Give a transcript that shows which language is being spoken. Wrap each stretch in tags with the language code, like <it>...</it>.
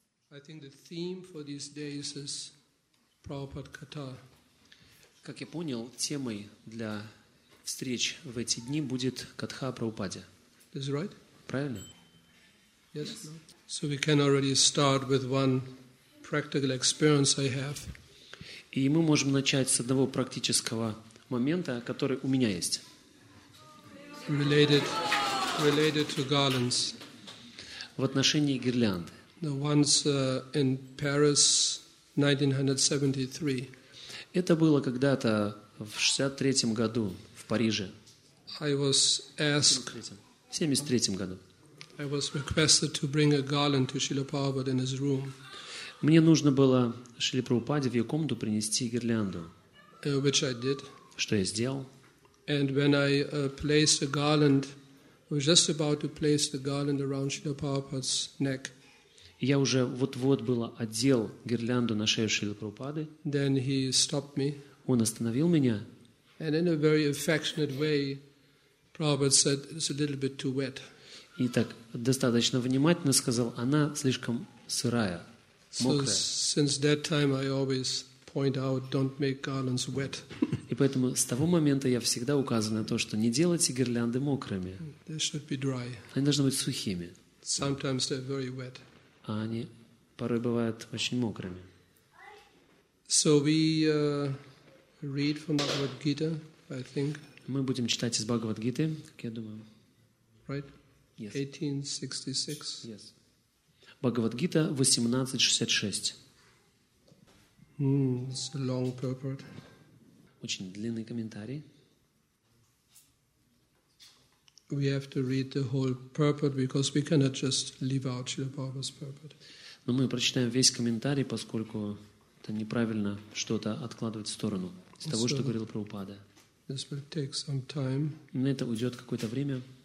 <en>I think the theme for these days is Prabhupada Katha.</en> <ru>Как я понял, темой для встреч в эти дни будет Катха Прабхупаде.</ru> <en>Is it right?</en> <ru>Правильно?</ru> <en>Yes. So we can already start with one practical experience I have.</en> <ru>И мы можем начать с одного практического момента, который у меня есть.</ru> <en>Related to garlands.</en> <ru>В отношении гирлянды.</ru> <en>Once in Paris, 1973.</en> <ru>Это было когда-то в 63-м году в Париже.</ru> <en>I was asked.</en> <ru>В 73-м году.</ru> <en>I was requested to bring a garland to Srila Prabhupada in his room.</en> <ru>Мне нужно было Шриле Прабхупаде в ее комнату принести гирлянду.</ru> <en>Which I did.</en> <ru>Что я сделал?</ru> <en>And when I placed a garland, I was just about to place the garland around Srila Prabhupada's neck.</en> <ru>Я уже вот-вот было одел гирлянду на шею Шрилы Прабхупады.</ru> <en>Then he stopped me.</en> <ru>Он остановил меня.</ru> <en>And in a very affectionate way, Prabhupada said, "It's a little bit too wet."</en> <ru>И так достаточно внимательно сказал: "Она слишком сырая, мокрая."</ru> <en>So since that time, I always point out, don't make garlands wet.</en> <ru>И поэтому с того момента я всегда указываю на то, что не делайте гирлянды мокрыми.</ru> <en>They should be dry.</en> <ru>Они должны быть сухими.</ru> <en>Sometimes they're very wet.</en> <ru>А они порой бывают очень мокрыми.</ru> <en>So we read from the Bhagavad Gita, I think.</en> <ru>Мы будем читать из Бхагавад Гиты, как я думаю.</ru> <en>Right? Yes. 1866. Yes.</en> <ru>Бхагавад Гита 1866.</ru> <en>It's a long purport.</en> <ru>Очень длинный комментарий.</ru> <en>We have to read the whole purport because we cannot just leave out Srila Prabhupada's purport.</en> <ru>Но мы прочитаем весь комментарий, поскольку это неправильно что-то откладывать в сторону из того, что говорил Прабхупада.</ru> <en>This will take some time.</en> <ru>На это уйдет какое-то время.</ru>